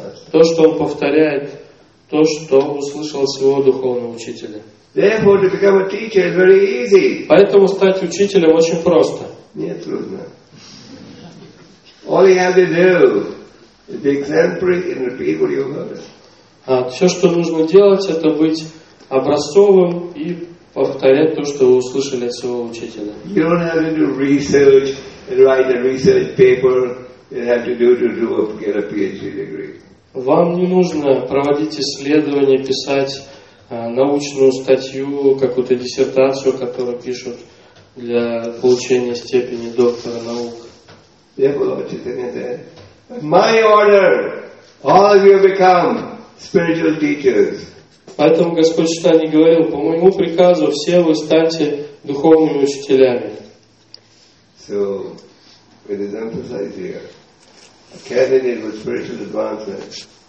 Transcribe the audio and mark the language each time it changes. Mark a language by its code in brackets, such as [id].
[ru] То, что он повторяет, то, что услышал своего духовного учителя. [en] Therefore, to become a teacher is very easy. [ru] Поэтому стать учителем очень просто. Нет, трудно. [en] All you have to do is be exemplary and repeat what you heard. [ru] Все, что нужно делать, это быть образцовым и повторять то, что вы услышали от своего учителя. [en] You don't have to do research and write a research paper. You have to do a, get a PhD degree. [ru] Вам не нужно проводить исследования, писать научную статью, какую-то диссертацию, которую пишут для получения степени доктора наук. [en] My order, all of you become spiritual teachers. [ru] Поэтому Господь Читание говорил: по моему приказу все вы станьте духовными учителями. So it is emphasized here. A candidate with spiritual advancement